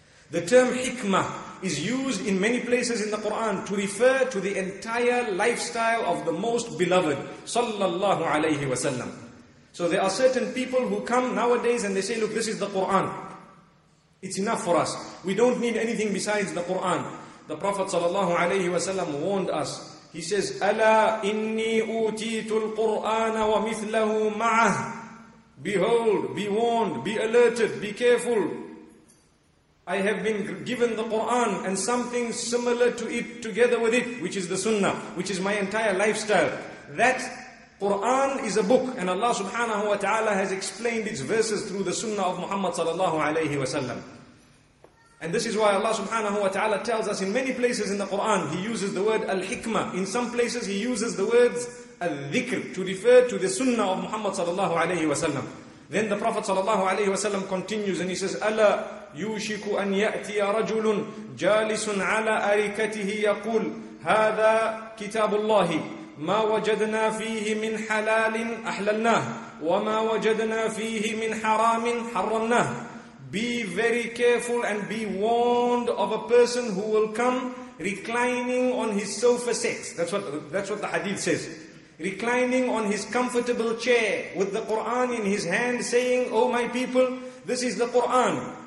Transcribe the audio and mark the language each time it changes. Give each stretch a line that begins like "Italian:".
English: The term hikmah is used in many places in the Quran to refer to the entire lifestyle of the most beloved sallallahu alayhi wa sallam. So there are certain people who come nowadays and they say, look, this is the Quran. It's enough for us. We don't need anything besides the Quran. The Prophet sallallahu alayhi wa sallam warned us. He says,
Arabic: أَلَا إِنِّي أُوتِيتُ الْقُرْآنَ وَمِثْلَهُ مَعَهُ.
English: Behold, be warned, be alerted, be careful. I have been given the Quran and something similar to it together with it, which is the Sunnah, which is my entire lifestyle. That Quran is a book, and Allah subhanahu wa ta'ala has explained its verses through the sunnah of Muhammad sallallahu alayhi wa sallam. And this is why Allah subhanahu wa ta'ala tells us in many places in the Quran, He uses the word al-hikmah. In some places He uses the words al-dhikr to refer to the sunnah of Muhammad sallallahu alayhi wa sallam. Then the Prophet sallallahu alayhi wa sallam continues and he says,
Arabic: أَلَا يُوشِكُ أَنْ يَأْتِيَ رَجُلٌ جَالِسٌ عَلَىٰ أَرِكَتِهِ يَقُولُ هَذَا كِتَابُ اللَّهِ ما وجدنا فيه من حلال أحللناه وما وجدنا فيه من حرام حرمناه.
English: Be very careful and be warned of a person who will come reclining on his sofa set. That's what the hadith says. Reclining on his comfortable chair with the Quran in his hand, saying, "Oh my people, this is the Quran.